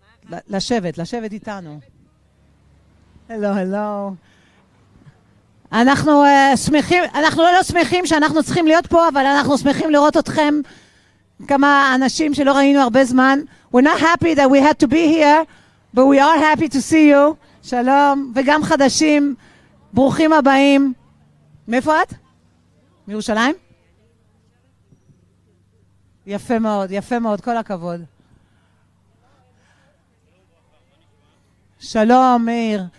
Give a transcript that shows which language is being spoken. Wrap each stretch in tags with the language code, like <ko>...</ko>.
<he>לשבת איתנו. הלו. אנחנו שמחים, אנחנו לא שמחים שאנחנו צריכים להיות פה, אבל אנחנו שמחים לראות אתכם, כמה אנשים שלא ראינו הרבה זמן.</he> <en>We're not happy that we had to be here, but we are happy to see you.</en> <he>שלום, וגם חדשים, ברוכים הבאים. מאיפה את? מירושלים? יפה מאוד, כל הכבוד. שלום, מאיר.</he>